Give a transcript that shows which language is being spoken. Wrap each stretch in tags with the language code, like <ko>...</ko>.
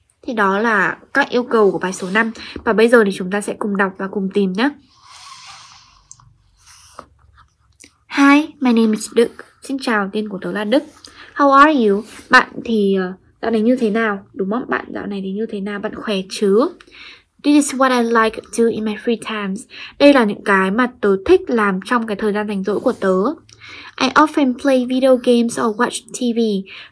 <vi>Thì đó là các yêu cầu của bài số 5. Và bây giờ thì chúng ta sẽ cùng đọc và cùng tìm nhé.</vi> <en>Hi, my name is Đức.</en> <vi>Xin chào, tên của tớ là Đức.</vi> <en>How are you?</en> <vi>Bạn thì dạo này như thế nào? Đúng không? Bạn dạo này thì như thế nào? Bạn khỏe chứ?</vi> <en>This is what I like to do in my free times.</en> <vi>Đây là những cái mà tớ thích làm trong cái thời gian rảnh rỗi của tớ.</vi> <en>I often play video games or watch TV.</en>